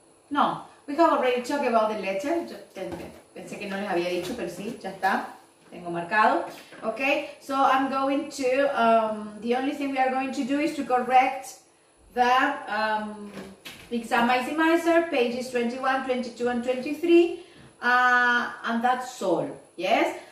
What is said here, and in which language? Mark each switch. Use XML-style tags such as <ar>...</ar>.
<en>no, we have already talked about the letter.</en> <es>Pensé que no les había dicho, pero sí, ya está. Tengo marcado.</es> <en>Okay, so I'm going to, the only thing we are going to do is to correct the Examizer pages 21, 22, and 23, and that's all, yes?</en>